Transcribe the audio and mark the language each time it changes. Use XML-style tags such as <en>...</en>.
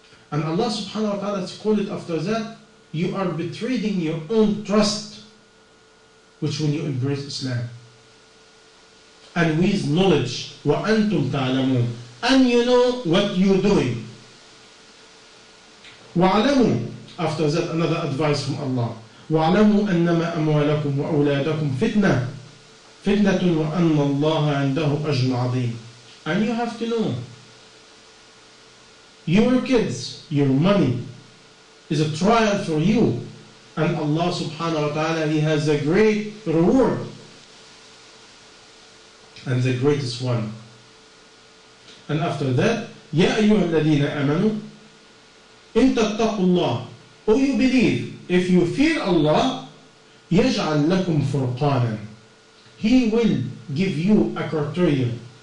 <en>And Allah subhanahu wa ta'ala called it after that, you are betraying your own trust. which when you embrace Islam. And with knowledge,</en> <ar>وَأَنْتُمْ تَعْلَمُونَ,</ar> <en>and you know what you're doing.</en> <ar>وَعْلَمُوا,</ar> <en>after that another advice from Allah,</en> <ar>وَعْلَمُوا أَنَّمَا أَمْوَالَكُمْ وَأَوْلَادَكُمْ فِتْنَةٌ فِتْنَةٌ وَأَنَّ اللَّهَ عَنْدَهُ أَجْرٌ عَظِيمٌ.</ar> <en>And you have to know, your kids, your money, is a trial for you. And Allah subhanahu wa ta'ala, He has a great reward. And the greatest one. And after that,</en> <ar>يَا أَيُّهَا الَّذِينَ آمَنُوا إِن تَتَّقُوا اللَّهِ,</ar> <en>oh, you believe, if you fear Allah,</en> <ar>يَجْعَلْ لَكُمْ فُرْقَانًا,</ar> <en>He will give you a criterion.</en>